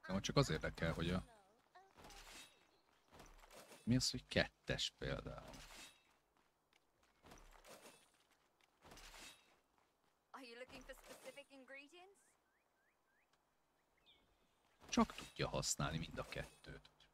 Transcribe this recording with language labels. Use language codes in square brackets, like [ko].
[hu] Nem csak az érdekel, hogy a... Mi az, hogy kettes például? [en] Are you looking for specific ingredients? [hu] Csak tudja használni mind a kettőt.